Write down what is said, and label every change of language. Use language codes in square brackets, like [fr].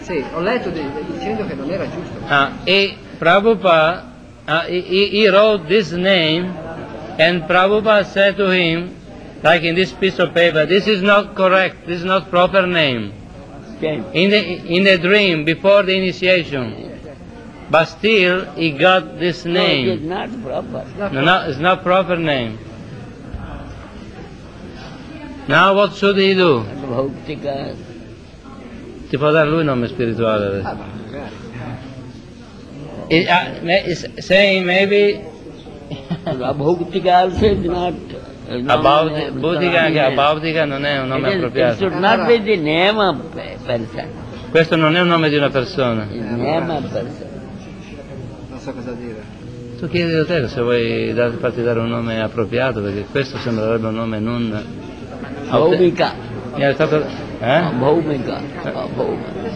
[it] Sì, ho letto dicendo che non era giusto. [en] E Prabhupada, he wrote this name, and Prabhupada said to him, like in this piece of paper, this is not correct, this is not proper name. In the dream, before the initiation. But still, he got this name. No, it is not proper. It's not proper name. Now what should he do? Bhautika. [it] Ti può dare lui il nome spirituale adesso. [en] Saying maybe... Bhautika also is not... About Bhutika, [it] anche Abhautika non è un nome appropriato. [en] It should not be the name of a person. [it] Questo non è un nome di una persona. [en] Il name of a person. [it] Non so cosa dire. Tu chiedi a te se vuoi farti dare un nome appropriato, perché questo sembrerebbe un nome non... [en] Bhautika. Yes, that's a... Abhaumika, abhaumika.